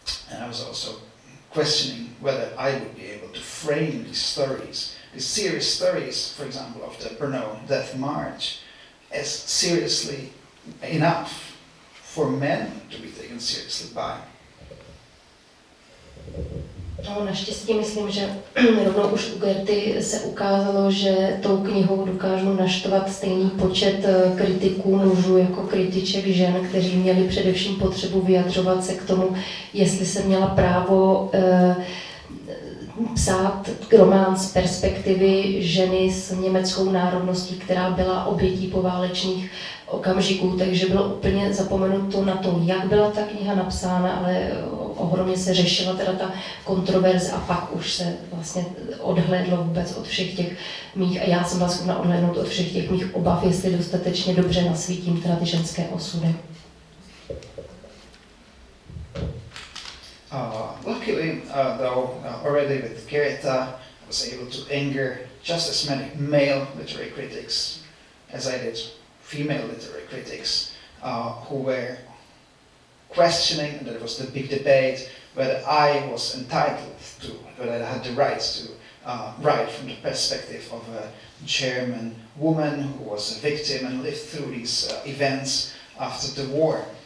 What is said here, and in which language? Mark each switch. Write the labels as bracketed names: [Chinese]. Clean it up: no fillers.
[English] And I was also questioning whether I would be able to frame these stories, these serious stories, for example, of the Brno Death March, as seriously enough for men to be taken seriously by. [Czech] No, naštěstí myslím, že rovnou už u Gerty se ukázalo, že tou knihou dokážu naštvat stejný počet kritiků mužů jako kritiček žen, kteří měli především potřebu vyjadřovat se k tomu, jestli se měla právo psát román z perspektivy ženy s německou národností, která byla obětí poválečných okamžiků, takže bylo úplně zapomenuto na to, jak byla ta kniha napsána, ale ohromně se řešila teda ta kontroverze a pak už se vlastně odhlédlo vůbec od všech těch mých, a já jsem byla schopna odhlédnout od všech těch mých obav, jestli dostatečně dobře nasvítím teda ty ženské osudy. [English] Luckily, though, already with Greta, I was able to anger just as many male literary critics as I did female literary critics, who were questioning, and there was the big debate, whether I was entitled to, whether I had the rights to write from the perspective of a German woman who was a victim and lived through these events after the war.